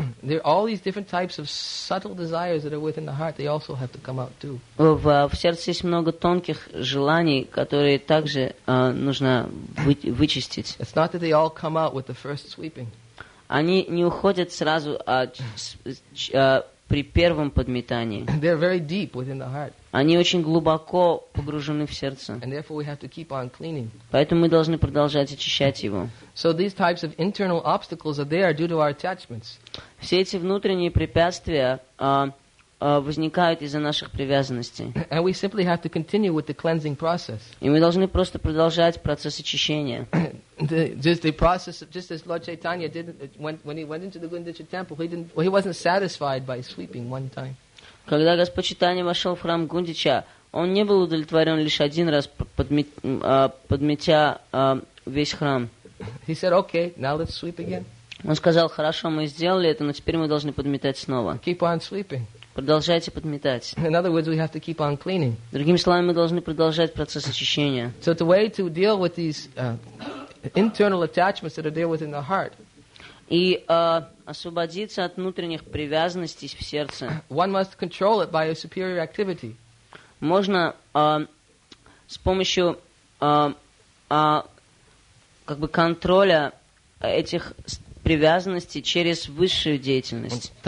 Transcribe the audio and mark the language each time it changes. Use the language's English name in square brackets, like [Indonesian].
[English] There are all these different types of subtle desires that are within the heart. They also have to come out too. [Russian] В сердце есть много тонких желаний, которые также нужно вычистить. [English] It's not that they all come out with the first sweeping. [Russian] Они не уходят сразу при первом подметании. [English] They're very deep within the heart. [Russian] Они очень глубоко погружены в сердце. [English] And therefore we have to keep on cleaning. [Russian] Поэтому мы должны продолжать очищать его. [English] So these types of internal obstacles are there due to our attachments. [Russian] Все эти внутренние препятствия возникают из-за наших привязанностей. [English] And we simply have to continue with the cleansing process. [Russian] И мы должны просто продолжать процесс очищения. [English] Just the process, just as Lord Chaitanya did when he went into the Gundicha temple, he wasn't satisfied by sweeping one time. [Russian] Когда Господь Читания вошел в храм Гундича, он не был удовлетворен лишь один раз, подметя весь храм. [English] He said, okay, now let's sweep again. [Russian] Он сказал, хорошо, мы сделали это, но теперь мы должны подметать снова. [English] Keep on sweeping. [Russian] Продолжайте подметать. [English] In other words, we have to keep on cleaning. [Russian] Другими словами, мы должны продолжать процесс очищения. [English] So the way to deal with these internal attachments that are there within the heart. [Russian] И освободиться от внутренних привязанностей в сердце. [English] One must control it by a superior activity. [Russian] Можно с помощью как бы контроля этих привязанностей через высшую деятельность.